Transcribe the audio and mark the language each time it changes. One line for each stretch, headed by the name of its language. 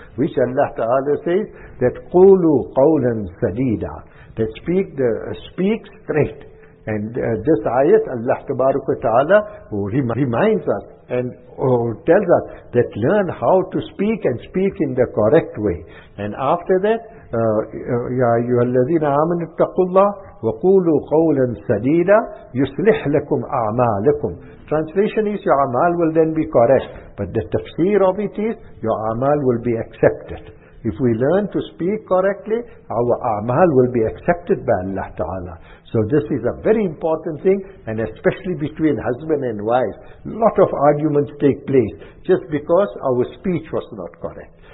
English: Which Allah Ta'ala says that
Arabic: قولوا قولا سديدا.
English: That speak straight. And this ayat, Allah Tabaruk wa Ta'ala reminds us and tells us that learn how to speak and speak in the correct way. And after that,
Arabic: يَا أَيُّهَا الَّذِينَ آمَنُوا اتَّقُوا اللَّهِ وَقُولُوا قَوْلًا سَدِيدًا يُسْلِحْ لَكُمْ أَعْمَالَكُمْ.
English: Translation is your amal will then be correct. But the tafsir of it is your amal will be accepted. If we learn to speak correctly, our amal will be accepted by Allah Ta'ala. So this is a very important thing, and especially between husband and wife, lot of arguments take place just because our speech was not correct.